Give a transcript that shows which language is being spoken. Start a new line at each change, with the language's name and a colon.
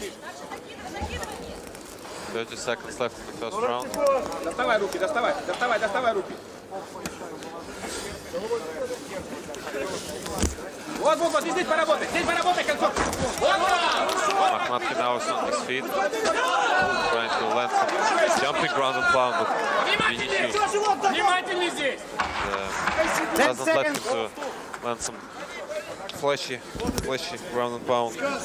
English: Можно, 30 seconds left in the first round.
Russian: Доставай руки, доставай, доставай, доставай руки. Вот, вот, вот, здесь поработай, концовка.
English: Makhnatkin now is on his feet. Trying to land some jumping ground and pound.
Russian: Внимательнее здесь!
English: Doesn't let him to land some flashy ground and pound.